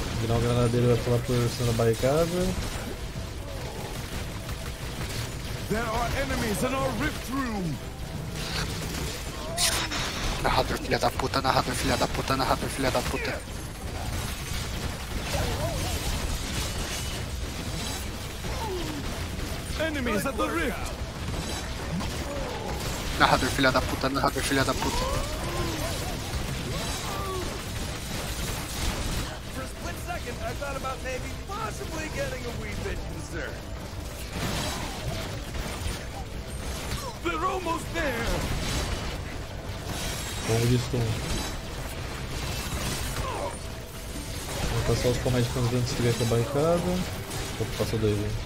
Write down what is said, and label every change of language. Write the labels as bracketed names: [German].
[Portuguese] O granadeiro vai pular por cima da barricada. [English] There are enemies in our rift room. [Portuguese] Narrador filha da puta, narrador filha da puta, narrador filha da puta. [English] Enemies at the rift. [Portuguese] Narrador filha da puta, narrador filha da puta. [English] For a split second, I thought about maybe possibly getting a wee bit concerned. They're almost there. [Portuguese] Como disse, vamos passar os comédicos antes de ver com a barricada. Vou passar dois.